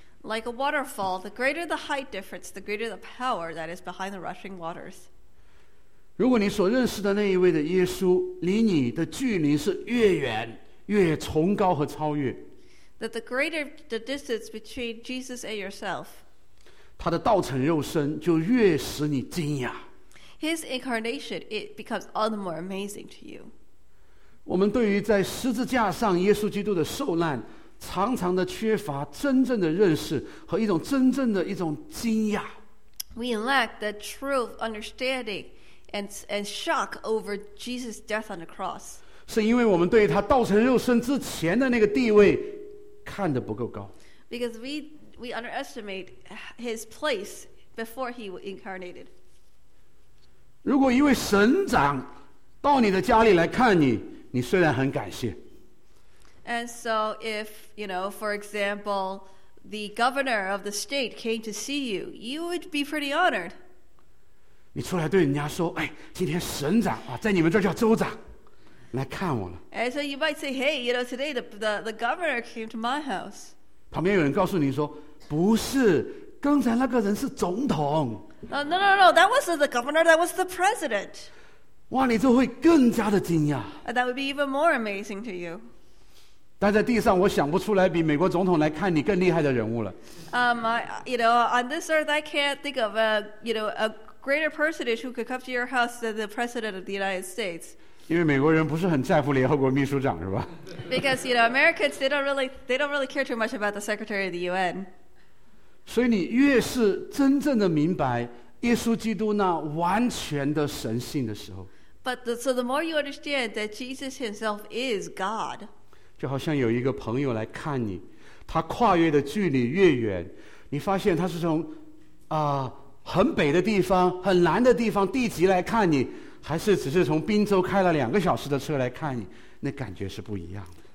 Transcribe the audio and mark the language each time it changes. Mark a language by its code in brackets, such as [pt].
[en] Like a waterfall, the greater the height difference, the greater the power that is behind the rushing waters. [zh] 如果你所认识的那一位的耶稣，离你的距离是越远，越崇高和超越。 [en] That the greater the distance between Jesus and yourself, [zh] 他的道成肉身就越使你惊讶。 [en] His incarnation, it becomes all the more amazing to you. [zh] 我们对于在十字架上耶稣基督的受难常常的缺乏真正的认识和一种真正的一种惊讶。 [en] We lack the true understanding and shock over Jesus' death on the cross. [zh] 是因为我们对他道成肉身之前的那个地位看得不够高。 [en] Because we underestimate his place before he incarnated. [zh] 如果一位神长到你的家里来看你，你虽然很感谢。 [en] And so if, you know, for example, the governor of the state came to see you, you would be pretty honored. [zh] 你出来对人家说，哎，今天省长啊，在你们这叫州长，来看我了。 [en] And so you might say, hey, you know, today the governor came to my house. [zh] 旁边有人告诉你说，不是，刚才那个人是总统。 [en] No, that wasn't the governor, that was the president. [zh] 哇，你就会更加的惊讶。 [en] And that would be even more amazing to you. [zh] 但在地上我想不出来比美国总统来看你更厉害的人物了。 [en] On this earth I can't think of a greater personage who could come to your house than the president of the United States. [zh] 因为美国人不是很在乎联合国秘书长是吧？ [en] Because you know Americans they don't really care too much about the secretary of the UN. [zh] 所以你越是真正的明白耶稣基督那完全的神性的时候。 [en] So the more you understand that Jesus himself is God. [zh] 就好像有一个朋友来看你，他跨越的距离越远，你发现他是从很北的地方、很南的地方地级来看你，还是只是从宾州开了两个小时的车来看你，那感觉是不一样的。